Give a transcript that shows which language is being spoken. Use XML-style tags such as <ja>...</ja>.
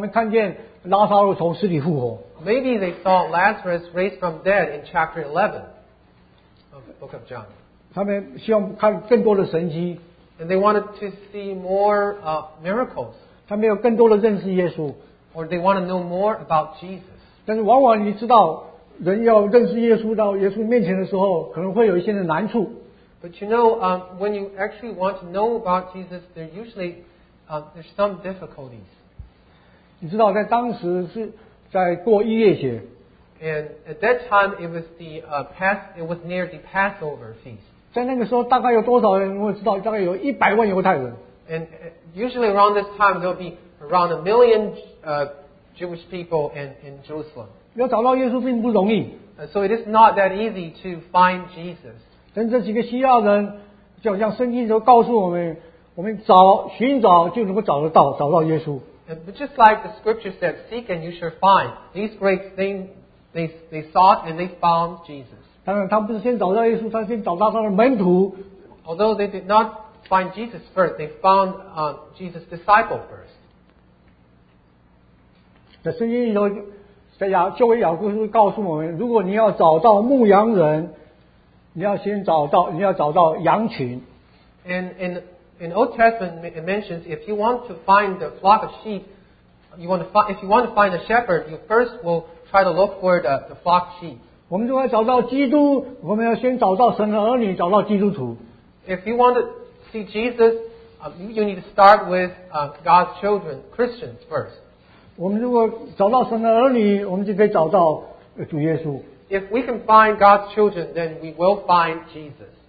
<zh>或者是因为在约翰福音十一章那里头，我们看见拉撒路从死里复活。</zh> <en>Maybe they saw Lazarus raised from dead in chapter 11 of the book of John.</en> <zh>他们希望看更多的神迹，</zh> <en>and they wanted to see more miracles.</en> <zh>他们要更多的认识耶稣，</zh> <en>or they want to know more about Jesus.</en> <zh>但是往往你知道，人要认识耶稣到耶稣面前的时候，可能会有一些的难处。</zh> <en>But you know, when you actually want to know about Jesus, there's usually some difficulties.</en> <zh>你知道，在当时是在过逾越节。</zh> <en>And at that time, it was near the Passover feast.</en> <zh>在那个时候，大概有多少人？我知道，大概有100万犹太人。</zh> <en>And usually around this time, there'll be around a million Jewish people in Jerusalem.</en> <zh>要找到耶稣并不容易。</zh> <en>So it is not that easy to find Jesus.</en> <zh>但这几个希腊人，就好像圣经都告诉我们，我们寻找就能够找得到，找到耶稣。</zh> <en>just like the scripture said, seek and you shall find. These great things, they sought and they found Jesus. Although they did not find Jesus first, they found Jesus' disciple first. The</en> <zh>圣经里头，在亚旧约雅各书告诉我们，如果你要找到牧羊人，你要先找到羊群。</zh> <en>In Old Testament, it mentions if you want to find the flock of sheep, you want to find, if you want to find a shepherd, you first will try to look for the flock of sheep.</en> <zh>我们如果要找到基督，我们要先找到神的儿女，找到基督徒。</zh> <en>If you want to see Jesus, you need to start with God's children, Christians first.</en> <zh>我们如果找到神的儿女，我们就可以找到主耶稣。</zh> <en>If we can find God's children, then we will find Jesus.</en>